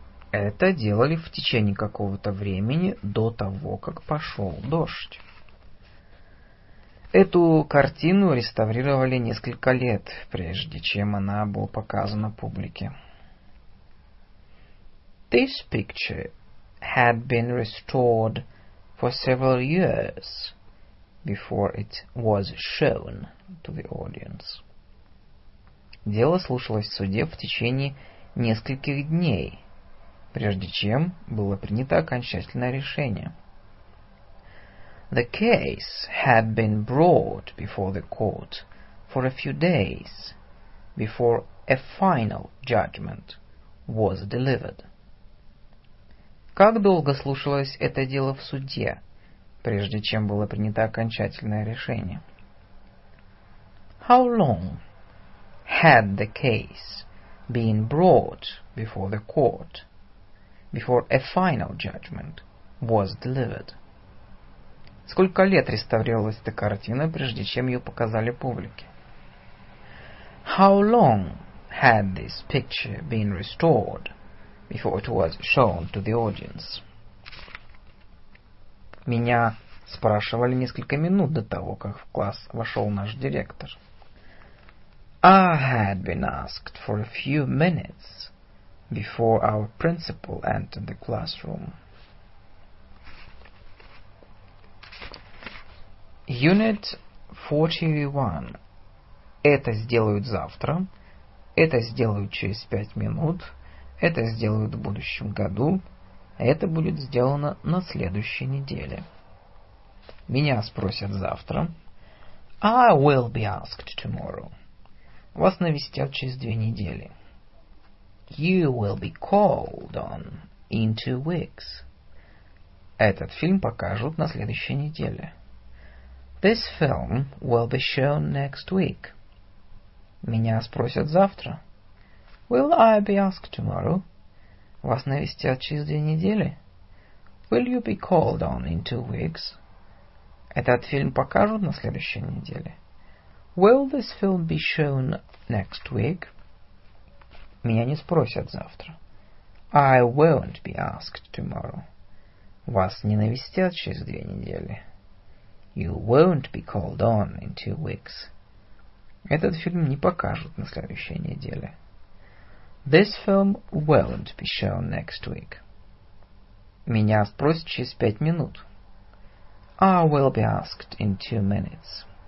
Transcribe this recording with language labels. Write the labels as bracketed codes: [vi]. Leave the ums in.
[ru] Это делали в течение какого-то времени до того, как пошел дождь. Эту картину реставрировали несколько лет, прежде чем она была показана публике. [en] This picture had been restored for several years before it was shown to the audience. [ru] Дело слушалось в суде в течение нескольких дней, прежде чем было принято окончательное решение. [en] The case had been brought before the court for a few days before a final judgment was delivered. [ru] Как долго слушалось это дело в суде, прежде чем было принято окончательное решение? [en] How long had the case been brought before the court before a final judgment was delivered. [ru] Сколько лет реставрировалась эта картина, прежде чем ее показали публике? [en] How long had this picture been restored before it was shown to the audience? [ru] Меня спрашивали несколько минут до того, как в класс вошел наш директор. [en] I had been asked for a few minutes before our principal entered the classroom. Unit 41. [ru] Это сделают завтра, это сделают через пять минут, это сделают в будущем году, а это будет сделано на следующей неделе. Меня спросят завтра. [en] I will be asked tomorrow. [ru] Вас навестят через две недели. [en] You will be called on in two weeks. [ru] Этот фильм покажут на следующей неделе. [en] This film will be shown next week. [ru] Меня спросят завтра. [en] Will I be asked tomorrow? [ru] Вас навестят через две недели. [en] Will you be called on in two weeks? [ru] Этот фильм покажут на следующей неделе. [en] Will this film be shown next week? [ru] Меня не спросят завтра. [en] I won't be asked tomorrow. [ru] Вас не навестят через две недели. [en] You won't be called on in two weeks. [ru] Этот фильм не покажут на следующей неделе. [en] This film won't be shown next week. [ru] Меня спросят через пять минут. [en] I will be asked in two minutes.